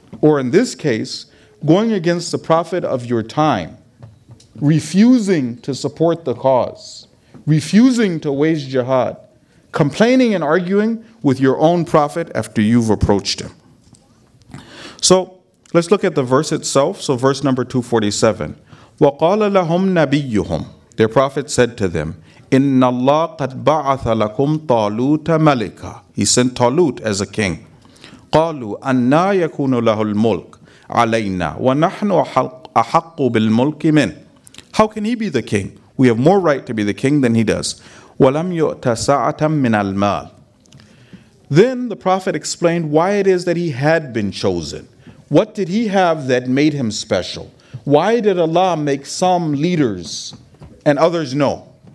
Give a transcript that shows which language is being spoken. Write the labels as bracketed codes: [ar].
[en] Or in this case, going against the prophet of your time, refusing to support the cause, refusing to wage jihad, complaining and arguing with your own prophet after you've approached him. So let's look at the verse itself. So verse number 247. [ar] وَقَالَ لَهُمْ نَبِيُّهُمْ [en] Their prophet said to them, [ar] إِنَّ اللَّهَ قَدْ بَعَثَ لَكُمْ طَالُوتَ مَلِكًا [en] He sent Talut as a king. [ar] قَالُوا أَنَّا يَكُونُ لَهُ الْمُلْكِ عَلَيْنَا وَنَحْنُ أَحَقُّ بِالْمُلْكِ مِنْ [en] How can he be the king? We have more right to be the king than he does. [ar] وَلَمْ يُؤْتَ سَعَةً مِنَ الْمَالِ [en] Then the prophet explained why it is that he had been chosen. What did he have that made him special? Why did Allah make some leaders and others no?